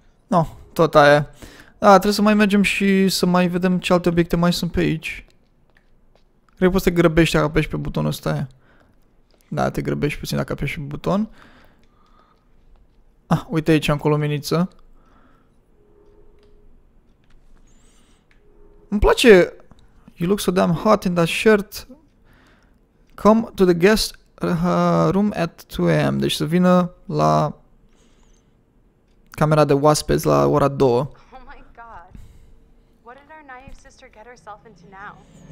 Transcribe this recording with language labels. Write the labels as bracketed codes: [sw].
[ro] No, tot aia. Da, trebuie să mai mergem și să mai vedem ce alte obiecte mai sunt pe aici. Cred că poți să te grăbești dacă apeși pe butonul ăsta aia. Da, te grăbești puțin dacă apeși pe buton. Ah, uite aici, încolo, luminiță. Îmi place... [en] You look so damn hot in that shirt. Come to the guest room at 2 a.m. [ro] Deci să vină la... camera de oaspeți la ora 2. [en] Oh my god. What did our naive sister get herself into now?